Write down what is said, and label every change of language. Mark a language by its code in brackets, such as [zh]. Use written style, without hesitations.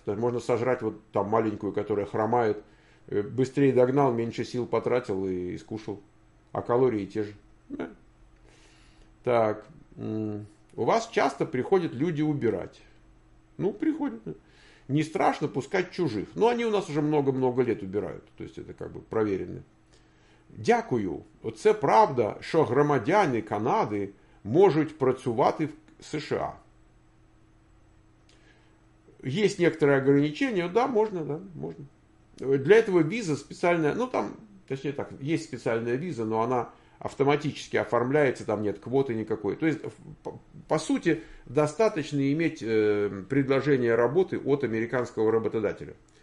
[ru] Можно сожрать вот там маленькую, которая хромает, быстрее догнал, меньше сил потратил и скушал. А калории те же. Так, у вас часто приходят люди убирать. Ну, приходят. Не страшно пускать чужих. Но они у нас уже много-много лет убирают. То есть это как бы проверено. [uk] Дякую. Це правда, що громадяни Канади можуть працювати в США. [ru] Есть некоторые ограничения. Да, можно. Для этого виза специальная, ну там, точнее так, есть специальная виза, но она автоматически оформляется, там нет квоты никакой. То есть, по сути, достаточно иметь предложение работы от американского работодателя.